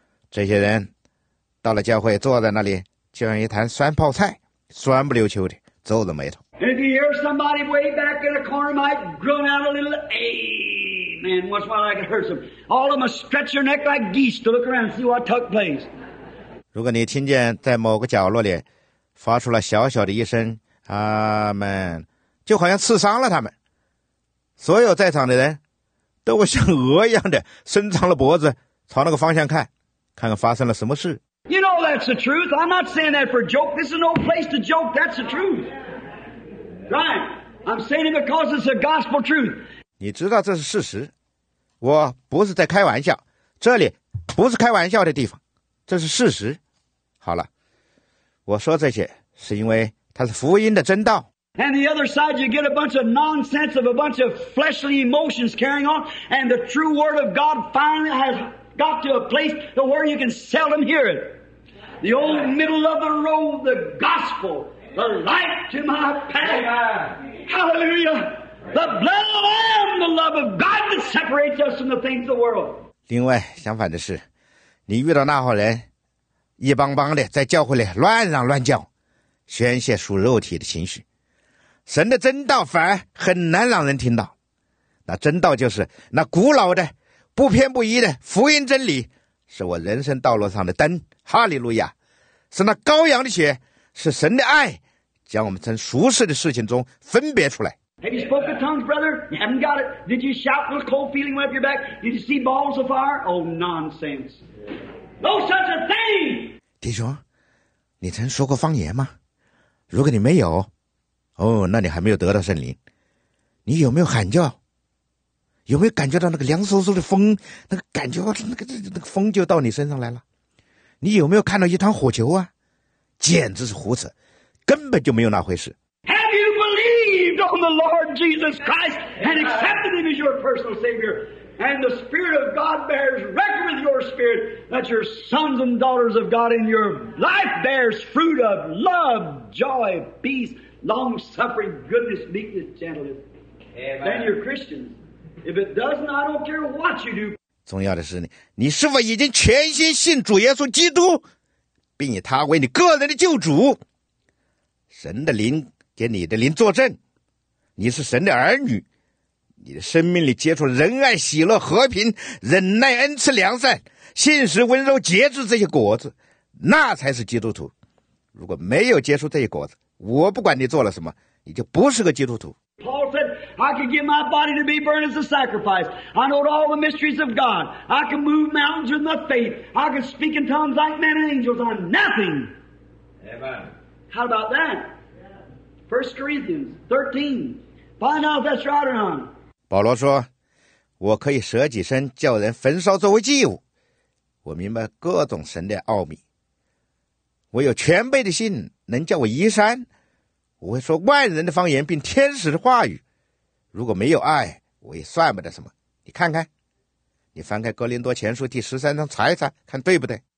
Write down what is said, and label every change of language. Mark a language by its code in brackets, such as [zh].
[zh] 这些人到了教会，坐在那里就像一坛酸泡菜，酸不溜秋的，皱着眉头。 [en] If you hear somebody way back in a corner might groan out a little, amen, once in a while I can hear some. All of them stretch their neck like geese to look around and see what took place. [zh] 如果你听见在某个角落里发出了小小的一声阿们，就好像刺伤了他们。所有在场的人都会像鹅一样的伸长了脖子朝那个方向看，看看发生了什么事。 [en] You know that's the truth. I'm not saying that for joke. This is no place to joke. That's the truth. Right, I'm saying it because it's a gospel truth. [zh] 你知道这是事实，我不是在开玩笑，这里不是开玩笑的地方，这是事实。好了，我说这些是因为它是福音的真道。 [en] And the other side, you get a bunch of nonsense of a bunch of fleshly emotions carrying on, and the true word of God finally has got to a place to where you can seldom hear it. The old middle of the road, the gospel. The light to my path. Hallelujah. The blood of the Lamb, the love of God that separates us from the things of the world. [zh] 另外相反的是，你遇到那伙人一帮帮的在教会里乱嚷乱叫，宣泄属肉体的情绪，神的真道反而很难让人听到。那真道就是那古老的不偏不倚的福音真理，是我人生道路上的灯。哈利路亚，是那羔羊的血，是神的爱将我们从俗世的事情中分别出来。 [en] Have you spoken in tongues, brother? You haven't got it. Did you shout with a cold feeling right up your back? Did you see balls of fire? Oh, nonsense. No such a thing! [zh] 弟兄，你曾说过方言吗？如果你没有，哦，那你还没有得到圣灵。你有没有喊叫？有没有感觉到那个凉飕飕的风，那个感觉，那个风就到你身上来了？你有没有看到一团火球啊？简直是胡扯，根本就没有那回事。 [en] Have you believed on the Lord Jesus Christ and accepted Him as your personal Savior, and the Spirit of God bears record with your spirit that your sons and daughters of God in your life bears fruit of love, joy, peace, long-suffering, goodness, meekness, gentleness? Then you're Christians. If it doesn't, I don't care what you do. [zh] 重要的是你是否已经全心信主耶稣基督？并以他为你个人的救主，神的灵给你的灵作证，你是神的儿女，你的生命里结出仁爱、喜乐、和平、忍耐、恩慈、良善、信实、温柔、节制这些果子，那才是基督徒。如果没有结出这些果子，我不管你做了什么，你就不是个基督徒。 [en] I can give my body to be burned as a sacrifice. I know all the mysteries of God. I can move mountains with my faith. I can speak in tongues like men and angels. I'm nothing. Amen. How about that? 1 Corinthians 13. Find out if that's right or not. [zh] 保罗说，我可以舍己身叫人焚烧作为祭物。我明白各种神的奥秘。我有全备的信，能叫我移山。我会说万人的方言，并天使的话语。如果没有爱，我也算不得什么。你看看，你翻开《哥林多前书》第13章，查一查，看对不对。